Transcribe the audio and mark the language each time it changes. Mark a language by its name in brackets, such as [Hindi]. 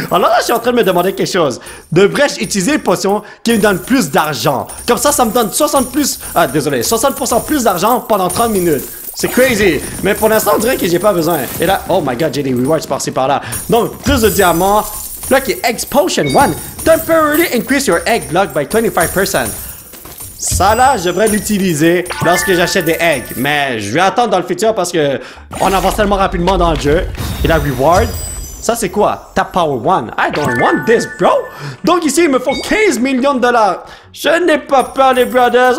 [French] Alors là, je suis en train de me demander quelque chose. Devrais-je utiliser une potion qui me donne plus d'argent? Comme ça, ça me donne 60% plus d'argent pendant 30 minutes. C'est crazy, mais pour l'instant, on dirait que j'ai pas besoin. Et là, [English] oh my god, [French] j'ai des rewards par-ci par-là. Donc, plus de diamants. Lucky Egg Potion 1. [English] Temporarily increase your egg luck by 25%. [French] Ça là, je devrais l'utiliser lorsque j'achète des eggs. Mais je vais attendre dans le futur parce que on avance tellement rapidement dans le jeu. Et la reward, ça c'est quoi? Tap Power 1. [English] I don't want this, bro. [French] Donc ici, il me faut 15 millions de dollars. Je n'ai pas peur, les brothers.